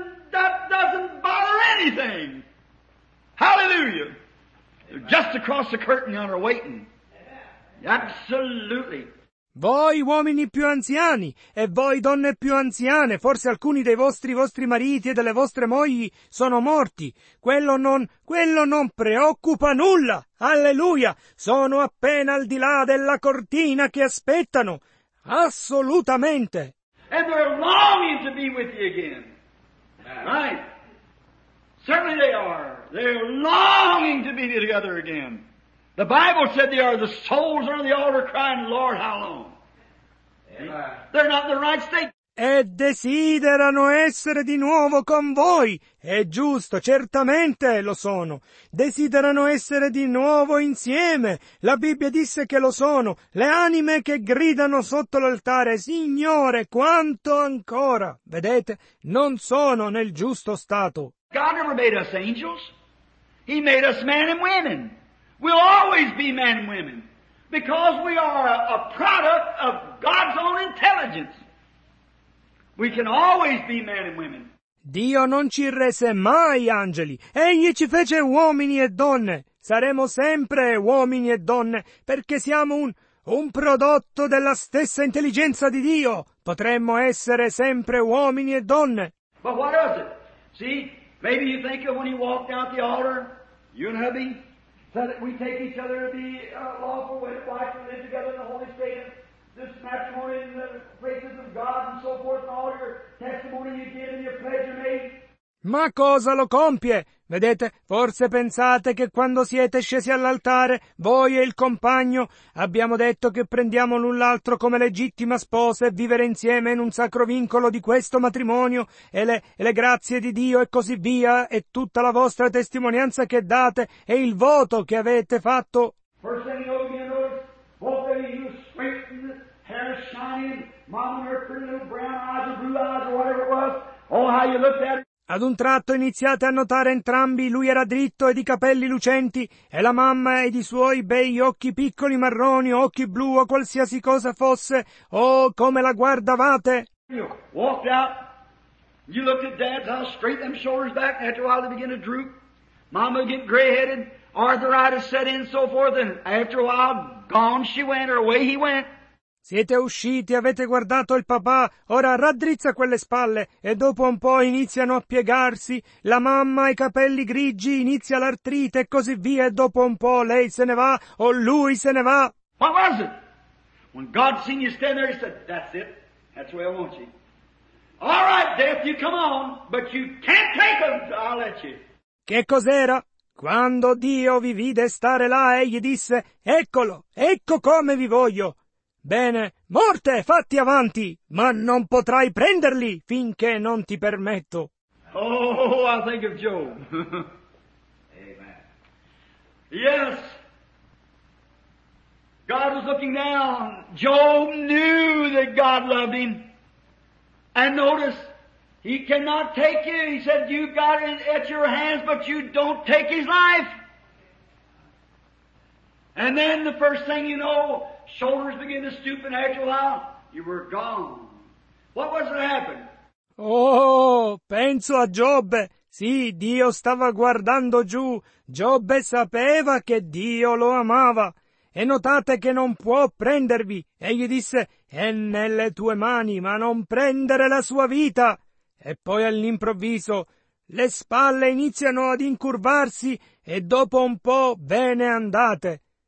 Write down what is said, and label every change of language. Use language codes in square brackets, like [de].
[en] That doesn't bother anything. Hallelujah. Just across the curtain yonder waiting. Absolutely. [it] Voi uomini più anziani e voi donne più anziane, forse alcuni dei vostri mariti e delle vostre mogli sono morti. Quello non preoccupa nulla. Alleluia! Sono appena al di là della cortina che aspettano. Assolutamente. [en] And they're longing to be with you again. Right? Certainly they are. They're longing to be together again. The Bible said they are the souls under the altar crying, Lord, how long? They're not in the right state. [it] E desiderano essere di nuovo con voi. È giusto, certamente lo sono. Desiderano essere di nuovo insieme. La Bibbia disse che lo sono. Le anime che gridano sotto l'altare, Signore, quanto ancora? Vedete, non sono nel giusto stato. [en] God never made us angels. He made us men and women. We'll always be men and women. Because we are a product of God's own intelligence. We can always be men and women. [it] Dio non ci rese mai angeli. Egli ci fece uomini e donne. Saremo sempre uomini e donne, perché siamo un prodotto della stessa intelligenza di Dio. Potremmo essere sempre uomini e donne. [en] But what is it? See, maybe you think of when you walked out the altar, you and hubby, so that we take each other to be lawful wedded wife and live together in the holy state of this matrimony and the graces of God and so forth and all your testimony you give and your pledge you made. [it] Ma cosa lo compie? Vedete, forse pensate che quando siete scesi all'altare, voi e il compagno, abbiamo detto che prendiamo l'un l'altro come legittima sposa e vivere insieme in un sacro vincolo di questo matrimonio e le grazie di Dio e così via e tutta la vostra testimonianza che date e il voto che avete fatto. [en] First thing you know, both of you sweating, hair shining, mom and her pretty little brown eyes or blue eyes or whatever it was, oh how you looked at it. [it] Ad un tratto iniziate a notare entrambi, lui era dritto e di capelli lucenti, e la mamma e i suoi bei occhi piccoli marroni, occhi blu o qualsiasi cosa fosse, oh, come la guardavate! [en] You walked out, you looked at Dad's house, straight them shoulders back, and after a while they begin to droop, mama get gray-headed, arthritis set in, so forth, and after a while, gone she went, or away he went. [it] Siete usciti, avete guardato il papà, ora raddrizza quelle spalle e dopo un po' iniziano a piegarsi, la mamma ha i capelli grigi, inizia l'artrite e così via e dopo un po' lei se ne va o lui se ne va. [en] What was it? When God seen you stand there, he said, that's it, that's where I want you. All right, death, you come on, but you can't take them, I'll let you. [it] Che cos'era? Quando Dio vi vide stare là, egli disse, eccolo, ecco come vi voglio. Bene, morte, fatti avanti, ma non potrai prenderli finché non ti permetto. [en] Oh, I think of Job. Amen. Yes. God was looking down. Job knew that God loved him. And notice, he cannot take you. He said, you've got it at your hands, but you don't take his life. And then the first thing you know, shoulders begin to stoop, and after a while, you were gone. What was it happened? [it] Oh, penso a Job. Sì, Dio stava guardando giù. Job sapeva che Dio lo amava. E notate che non può prendervi. Egli disse, è nelle tue mani, ma non prendere la sua vita. E poi all'improvviso le spalle iniziano ad incurvarsi e dopo un po' ve ne andate.